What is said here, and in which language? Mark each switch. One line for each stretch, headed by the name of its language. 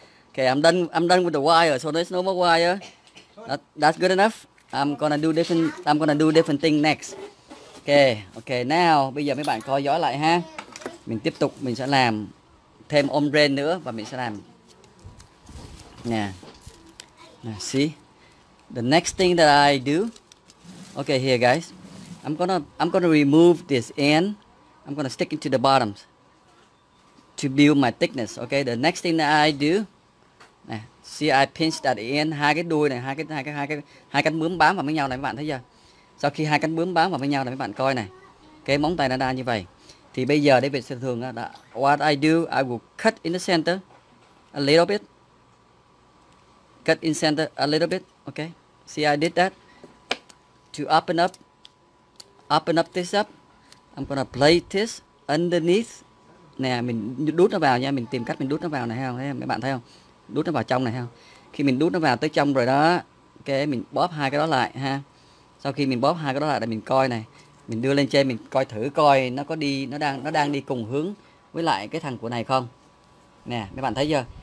English: Okay, I'm done with the wire, so there's no more wire. That's good enough. I'm gonna do different thing next. Okay, now
Vietnamese: bây giờ mấy bạn coi dõi lại ha. Mình tiếp tục, mình sẽ làm thêm ombre nữa và mình sẽ làm nè.
English: See the next thing that I do. Okay, here guys, I'm gonna remove this end. I'm gonna stick it to the bottom to build my thickness. Okay, the next thing that I do nè. See, I pinch that end,
Vietnamese: hai cái đuôi này, hai cánh bướm bám vào với nhau này, các bạn thấy chưa? Sau khi hai cánh bướm bám vào với nhau là mấy bạn coi này, cái móng tay nó đa như vậy. Thì bây giờ đây về sở thường là
English: what I do, I will cut in the center a little bit. Cut in center a little bit, okay? See, I did that to open up this up. I'm gonna play this underneath.
Vietnamese: Nè, mình đút nó vào nha, mình tìm cách mình đút nó vào này, thấy không? Thấy không? Mấy bạn thấy không? Đút nó vào trong này, thấy không? Khi mình đút nó vào tới trong rồi đó, cái mình bóp hai cái đó lại ha. Sau khi mình bóp hai cái đó lại là mình coi này, mình đưa lên trên mình coi thử coi nó có đi, nó đang đi cùng hướng với lại cái thằng của này không. Nè, mấy bạn thấy chưa?